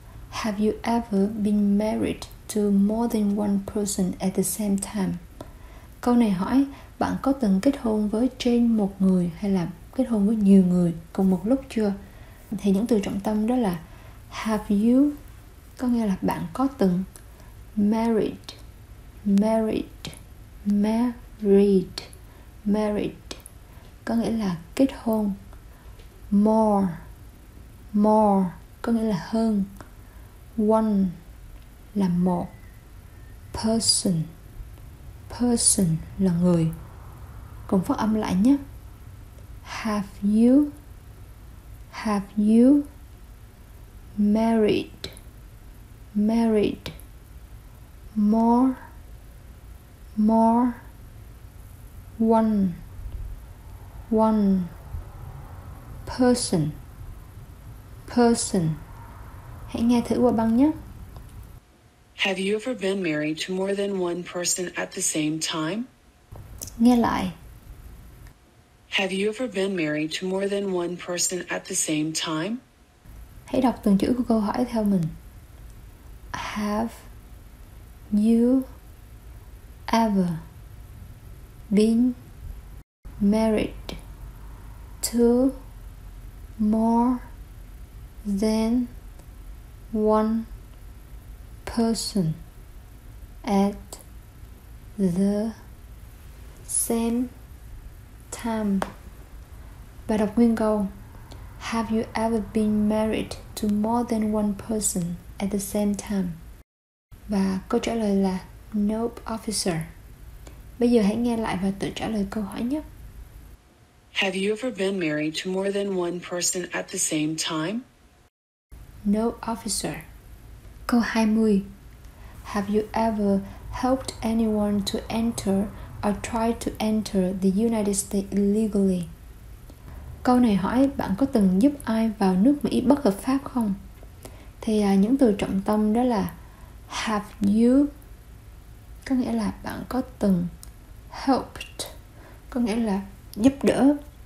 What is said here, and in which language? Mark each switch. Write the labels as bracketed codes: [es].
[en] Have you ever been married to more than one person at the same time? [vi] Câu này hỏi, bạn có từng kết hôn với trên một người hay là kết hôn với nhiều người cùng một lúc chưa? Thì những từ trọng tâm đó là [en] have you [vi] có nghĩa là bạn có từng, married, married, married, married có nghĩa là kết hôn, more, more có nghĩa là hơn, one là một, person, person là người. Cùng phát âm lại nhé. [en] Have you married, married, more, more, one, one, person, person. [vi] Hãy nghe thử qua băng nhé. [en] Have you ever been married to more than one person at the same time? [vi] Nghe lại. [en] Have you ever been married to more than one person at the same time? [vi] Hãy đọc từng chữ của câu hỏi theo mình. [en] Have you ever been married to more than one person at the same time? [vi] Bài đọc nguyên câu. [en] Have you ever been married to more than one person at the same time? [vi] Và câu trả lời là [en] nope, officer. [vi] Bây giờ hãy nghe lại và tự trả lời câu hỏi nhé. [en] Have you ever been married to more than one person at the same time? Nope, officer. [vi] Câu 20. [en] Have you ever helped anyone to enter or try to enter the United States illegally? [vi] Câu này hỏi bạn có từng giúp ai vào nước Mỹ bất hợp pháp không? Thì những từ trọng tâm đó là [en] have you, [vi] có nghĩa là bạn có từng, helped, có nghĩa là giúp đỡ,